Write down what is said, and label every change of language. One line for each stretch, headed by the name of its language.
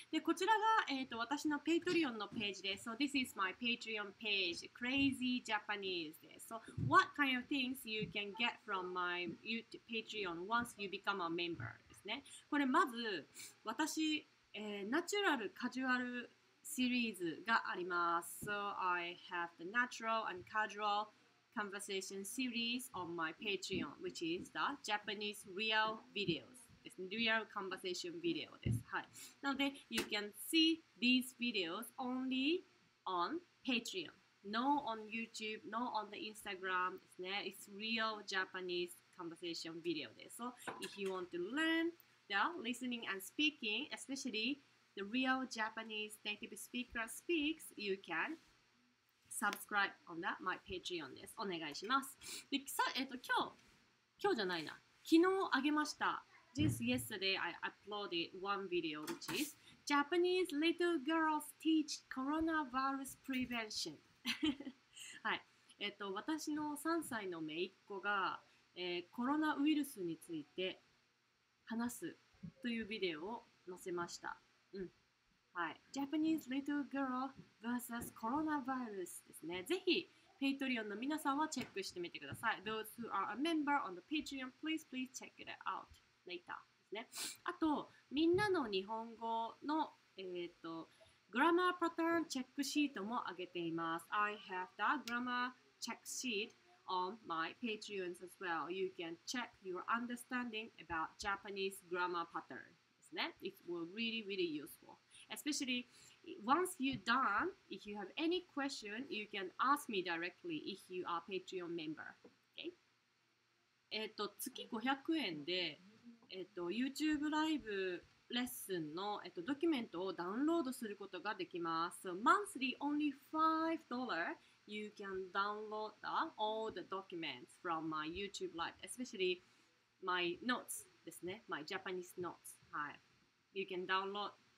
Japanese: でこちらが、私のペイトリオンのページです。
English: So this is my Patreon page, Crazy Japanese
Japanese: です。
English: So what kind of things you can get from my YouTube Patreon once you become a member
Japanese: ですね。これまず私、ナチュラルカジュアルシリーズがあります。
English: So I have the natural and casual conversation series on my Patreon, which is the Japanese real videos. It's real conversation video
Japanese: です。はい。なので、
English: you can see these videos only on Patreon. No on YouTube, no on the Instagram.
Japanese: ですね。
English: It's real Japanese conversation video
Japanese: です。
English: So if you want to learn the listening and speaking, especially the real Japanese native speaker speaks, you can subscribe on that my Patreon
Japanese: です。お願いします。で、今日じゃないな。昨日あげました。
English: This yesterday I uploaded one video which is Japanese little girls teach coronavirus prevention.
Japanese: はい。私の3歳の姪っ子が、コロナウイルスについて話すというビデオを載せました。うん。はい、
English: Japanese little girl versus coronavirus
Japanese: ですね。ぜひ Patreon の皆さんはチェックしてみてください。
English: Those who are a member on the Patreon, please please check it out later
Japanese: ですね。あとみんなの日本語の
English: Grammar pattern
Japanese: チェックシートもあげています。
English: I have the grammar check sheet on my Patreons as well. You can check your understanding about Japanese grammar pattern
Japanese: ですね。
English: It will really really useful. Especially once you're done, if you have any question, you can ask me directly if you are a Patreon member. Okay?
Japanese: 月500円で、YouTube ライブレッスンの、ドキュメントをダウンロードすることができます。
English: So, monthly only $5, you can download the, all the documents from my YouTube live, especially my notes
Japanese: ですね。
English: My Japanese notes.
Japanese: はい。
English: You can download.